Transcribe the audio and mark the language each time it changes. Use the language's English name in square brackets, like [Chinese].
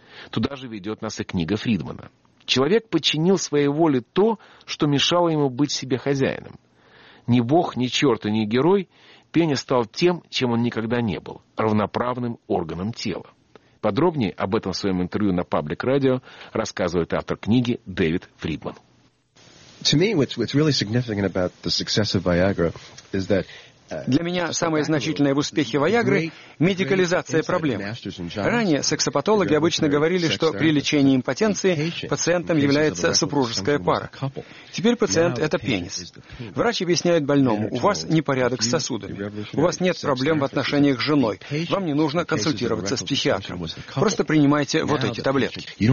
[Russian] Туда же ведет нас и книга Фридмана. Человек подчинил своей воле то, что мешало ему быть себе хозяином. Ни бог, ни черт и ни герой, пенис стал тем, чем он никогда не был – равноправным органом тела. Подробнее об этом в своем интервью на Public Radio рассказывает автор книги Дэвид Фридман. [English] To me, what's really significant about the success of Viagra is that. [Russian] Для меня самое значительное в успехе Виагры – медикализация проблем. Ранее сексопатологи обычно говорили, что при лечении импотенции пациентом является супружеская пара. Теперь пациент – это пенис. Врач объясняет больному, у вас непорядок с сосудами, у вас нет проблем в отношениях с женой, вам не нужно консультироваться с психиатром, просто принимайте вот эти таблетки.